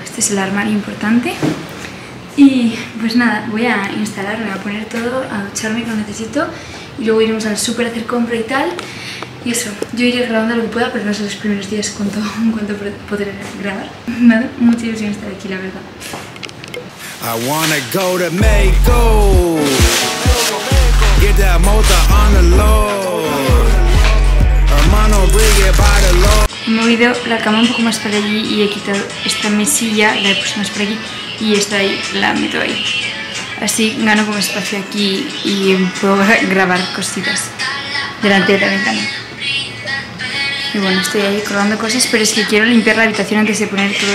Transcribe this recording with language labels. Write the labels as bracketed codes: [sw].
[es] Este es el armario importante. Y pues nada, voy a instalarme, a poner todo, a ducharme cuando necesito y luego iremos al súper a hacer compra y tal. Y eso, yo iré grabando lo que pueda, pero no sé los primeros días cuánto podré grabar. Nada, mucha ilusión estar aquí, la verdad. [en] I wanna go to Mexico. Get that motor on the low. Hermano, bring it by the low. [es] Me he movido la cama un poco más para allí y he quitado esta mesilla, la he puesto más para aquí y esta ahí, la meto ahí. Así gano como espacio aquí y puedo grabar cositas delante de la ventana. Y bueno, estoy ahí colgando cosas, pero es que quiero limpiar la habitación antes de poner todo.